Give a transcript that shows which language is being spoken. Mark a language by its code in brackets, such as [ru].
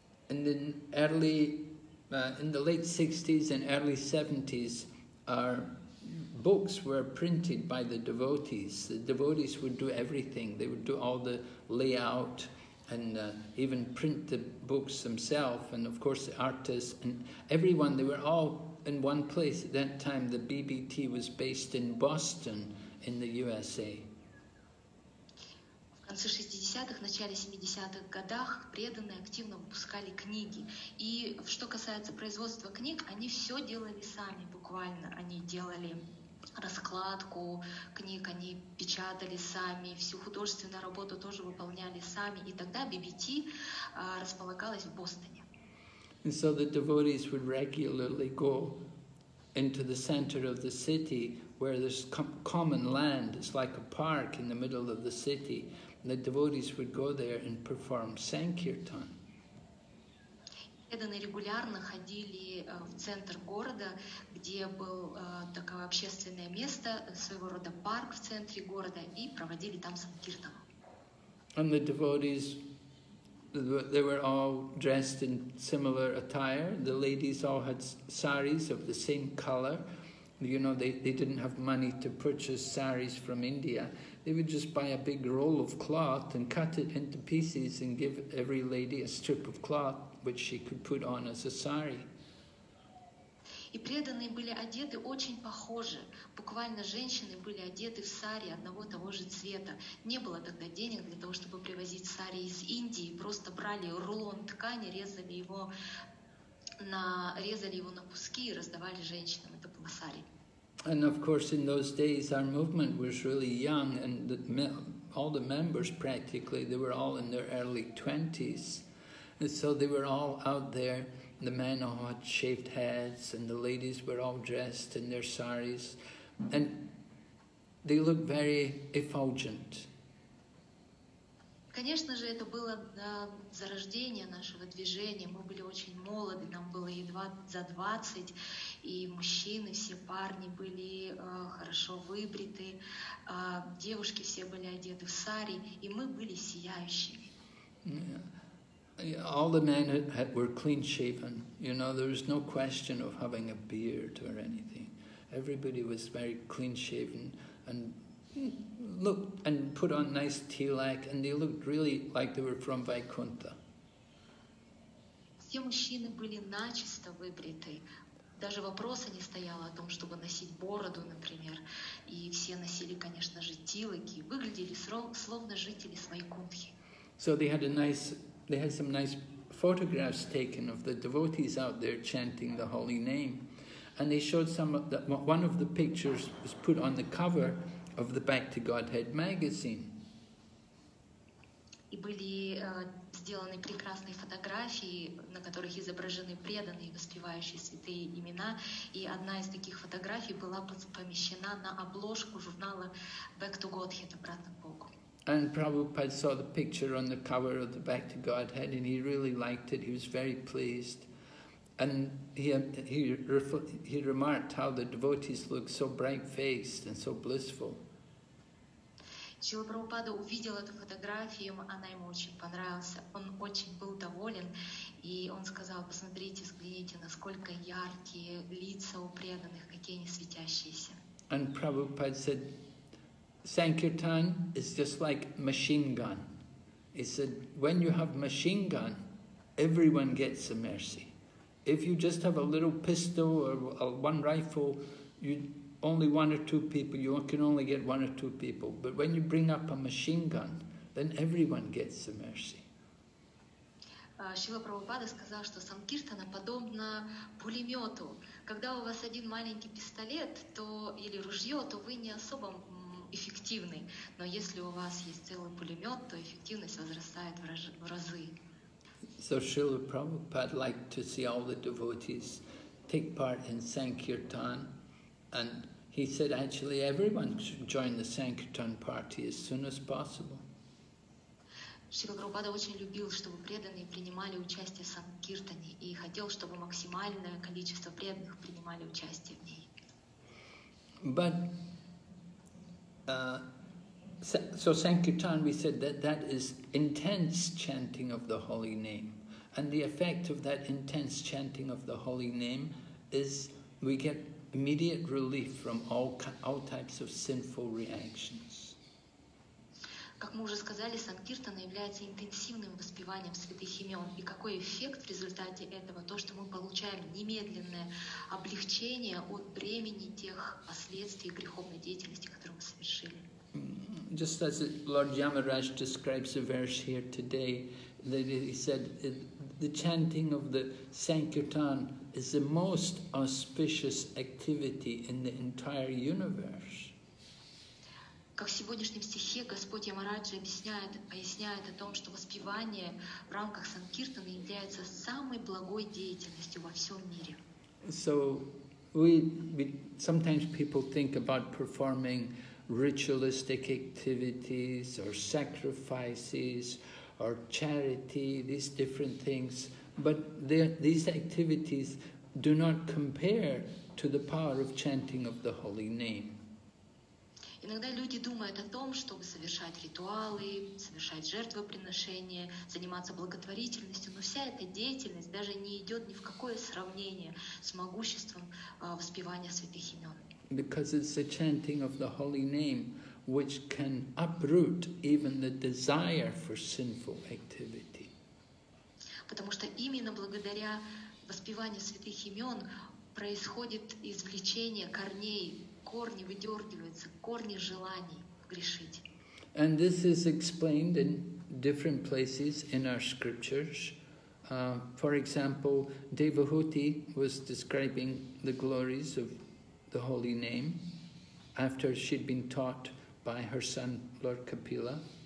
[en] In the late 60s and early 70s, our books were printed by the devotees. The devotees would do everything. They would do all the layout and even print the books themselves. And of course, the artists and everyone, they were all in one place. At that time, the BBT was based in Boston in the USA. [ru] В конце 60-х, начале 70-х годах преданные активно выпускали книги. И что касается производства книг, они все делали сами буквально. Они делали раскладку книг, они печатали сами, всю художественную работу тоже выполняли сами. И тогда BBT располагалась в Бостоне. [en] And so the devotees would regularly go into the center of the city, where there's common land, it's like a park in the middle of the city. The devotees would go there and perform Sankirtan. [ru] Преданные регулярно ходили в центр города, где был такое общественное место, своего рода парк в центре города, и проводили там Sankirtan. [en] And the devotees, they were all dressed in similar attire. The ladies all had saris of the same color. You know, they didn't have money to purchase saris from India. They would just buy a big roll of cloth and cut it into pieces and give every lady a strip of cloth which she could put on as a sari. [ru] И преданные были одеты очень похоже. Буквально женщины были одеты в сари одного того же цвета. Не было тогда денег для того, чтобы привозить сари из Индии. Просто брали рулон ткани, резали его на куски и раздавали женщинам. Это было сари. [en] And of course, in those days, our movement was really young, and all the members practically, they were all in their early 20s. And so they were all out there, the men all had shaved heads, and the ladies were all dressed in their saris, and they looked very effulgent. [ru] Конечно же, это было зарождение нашего движения. Мы были очень молоды, нам было едва за 20, и мужчины, все парни были хорошо выбриты, девушки все были одеты в сари, и мы были сияющими. [en] Yeah. All the men were clean-shaven. You know, there was no question of having a beard or anything. Everybody was very clean-shaven and looked and put on nice tilak, and they looked really like they were from Vaikuntha. [ru] Все мужчины были начисто выбриты. Даже вопроса не стояло о том, чтобы носить бороду, например. И все носили, конечно же, тилаки, выглядели словно жители с Вайкунтхи. [en] So they had a nice, they had some nice photographs taken of the devotees out there chanting the holy name. And they showed some of that one of the pictures was put on the cover of the Back to Godhead magazine. [ru] И были сделаны прекрасные фотографии, на которых изображены преданные, воспевающие святые имена. И одна из таких фотографий была помещена на обложку журнала [en] Back to Godhead, [ru] обратно к Богу. [en] And Prabhupada saw the picture on the cover of the Back to Godhead, and he really liked it. He was very pleased. And he remarked how the devotees looked so bright-faced and so blissful. [ru] Шрила Прабхупада увидел эту фотографию, она ему очень понравилась. Он очень был доволен, и он сказал: «Посмотрите, взгляните, насколько яркие лица у преданных, какие они светящиеся». [en] And Prabhupada said, Sankirtan is just like machine gun. He said, when you have machine gun, everyone gets a mercy. If you just have a little pistol or one rifle, you only one or two people, you can only get one or two people. But when you bring up a machine gun, then everyone gets a mercy. [ru] Шрила Прабхупада сказал, что Санкиртана подобно пулемету. Когда у вас один маленький пистолет, то или ружье, то вы не особо эффективны. Но если у вас есть целый пулемет, то эффективность возрастает в разы. [en] So Srila Prabhupada liked to see all the devotees take part in Sankirtan, and he said actually everyone should join the Sankirtan party as soon as possible. [ru] Шрила Прабхупада очень любил, чтобы преданные принимали участие в Санкиртане, и хотел, чтобы максимальное количество преданных принимали участие в ней. [en] But so Sankirtan, we said that that is intense chanting of the holy name. And the effect of that intense chanting of the holy name is we get immediate relief from all types of sinful reactions. [ru] Как мы уже сказали, Санкиртана является интенсивным воспеванием святых имен. И какой эффект в результате этого? То, что мы получаем немедленное облегчение от бремени тех последствий греховной деятельности, которую мы совершили. [en] Just as Lord Yamaraj describes a verse here today, that he said, the chanting of the Sankirtan is the most auspicious activity in the entire universe. [ru] Как в сегодняшнем стихе Господь Ямарадж поясняет о том, что воспевание в рамках Санкиртана является самой благой деятельностью во всем мире. [en] So we sometimes people think about performing ritualistic activities or sacrifices or charity, these different things, but these activities do not compare to the power of chanting of the holy name. [ru] Иногда люди думают о том, чтобы совершать ритуалы, совершать жертвоприношения, заниматься благотворительностью, но вся эта деятельность даже не идет ни в какое сравнение с могуществом воспевания святых имен. [en] Because it's the chanting of the holy name which can uproot even the desire for sinful activity. [ru] Потому что именно благодаря воспеванию святых имен происходит извлечение корней, корни выдергиваются, корни желаний грешить. [en] And this is explained in different places in our scriptures. For example, Devahuti was describing the glories of the holy name after she'd been taught by her son Lord Kapila.